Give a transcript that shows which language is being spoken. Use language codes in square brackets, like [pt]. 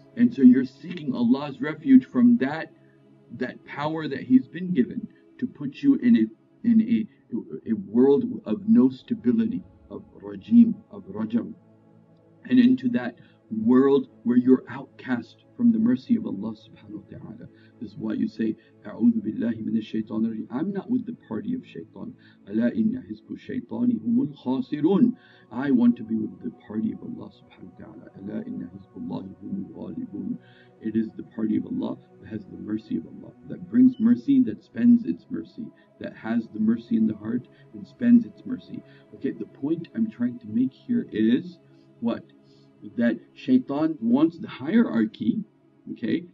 [en] And so you're seeking Allah's refuge from that power that He's been given to put you in a world of no stability, of Rajim, of Rajam, and into that world where you're outcast from the mercy of Allah subhanahu wa ta'ala. This is why you say, أعوذ بالله من الشيطان الرجيم. I'm not with the party of Shaytan. [ar] ألا إن حزب الشيطان هم الخاسرون. [en] I want to be with the party of Allah subhanahu wa ta'ala. [ar] ألا إن حزب الله هم الغالبون. [en] It is the party of Allah that has the mercy of Allah, that brings mercy, that spends its mercy, that has the mercy in the heart and spends its mercy. Okay, the point I'm trying to make here is what? That Shaytan wants the hierarchy, okay?